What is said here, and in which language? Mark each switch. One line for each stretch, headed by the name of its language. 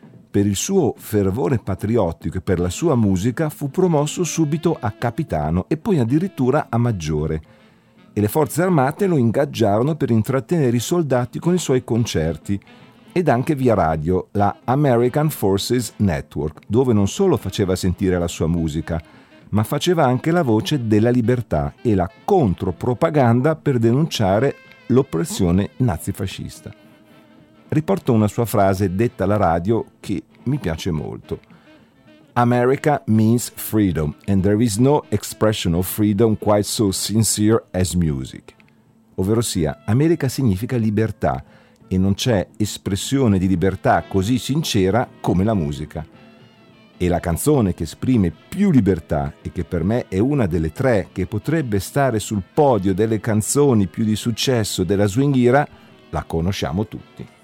Italian: Per il suo fervore patriottico e per la sua musica fu promosso subito a capitano e poi addirittura a maggiore, e le forze armate lo ingaggiarono per intrattenere i soldati con i suoi concerti ed anche via radio, la American Forces Network, dove non solo faceva sentire la sua musica, ma faceva anche la voce della libertà e la contropropaganda per denunciare l'oppressione nazifascista. Riporto una sua frase detta alla radio che mi piace molto.
English: America means freedom, and there is no expression of freedom quite so sincere as music.
Italian: Ovvero sia, America significa libertà, e non c'è espressione di libertà così sincera come la musica. E la canzone che esprime più libertà, e che per me è una delle tre che potrebbe stare sul podio delle canzoni più di successo della swing era, la conosciamo tutti.